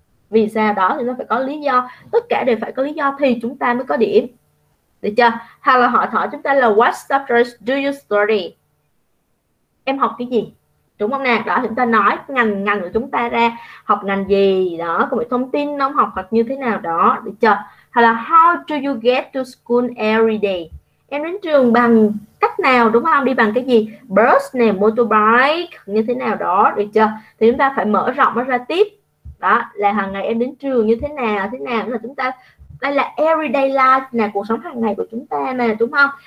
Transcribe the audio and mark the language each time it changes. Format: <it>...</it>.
<vi>Vì sao đó thì nó phải có lý do, tất cả đều phải có lý do thì chúng ta mới có điểm. Được chưa? Hoặc là họ hỏi chúng ta là</vi> <en>what subjects do you study?</en> <vi>Em học cái gì? Đúng không nè? Đó chúng ta nói ngành ngành của chúng ta ra, học ngành gì đó, công nghệ thông tin, nông học hoặc như thế nào đó, được chưa? Hay là</vi> <en>how do you get to school every day?</en> <vi>Em đến trường bằng cách nào, đúng không? Đi bằng cái gì? Bus nè, motorbike như thế nào đó, được chưa? Thì chúng ta phải mở rộng nó ra tiếp. Đó là hàng ngày em đến trường như thế nào là chúng ta, đây là everyday life, là cuộc sống hàng ngày của chúng ta mà, đúng không?</vi>